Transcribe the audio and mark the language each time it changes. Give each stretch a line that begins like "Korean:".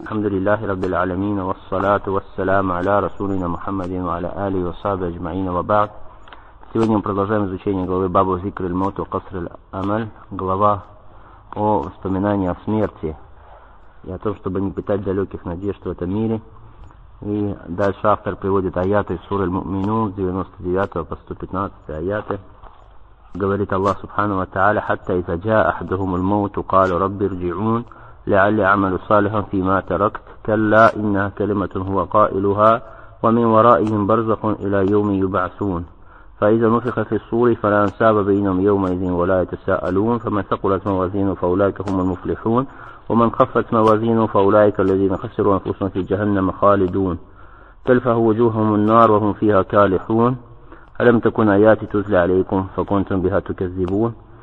Arabic: الحمد لله رب العالمين، والصلاة والسلام على رسولنا محمد وعلى آله وصحبه أجمعين، وبعد.
Russian: Сегодня мы продолжаем изучение главы Бабу Зикр аль-Мот ва Каср аль-Амаль, глава о воспоминании о смерти и о том, чтобы не питать далеких надежд в этом мире. И дальше автор приводит аяты суры аль-Муминун 99 по 115 аяты. Говорит Аллах Субхану ва Тааля:
Arabic: «Хатта иза джаа ахадухум аль-Мот, каалу Рабби ирджиун, лаалли аъмалу салихан фима таракт, калла инна калиматан хуа каилуха, ва мин вараихим барзахун иля йоуми юбаасун». فإذا نفخ في الصور فلا أنساب بينهم يومئذ ولا يتساءلون فمن ثقلت موازينه فأولئك هم المفلحون ومن خفت موازينه فأولئك الذين خسروا أنفسهم في جهنم خالدون تلفه وجوههم النار وهم فيها كالحون ألم تكن آياتي تتلى عليكم فكنتم بها تكذبون.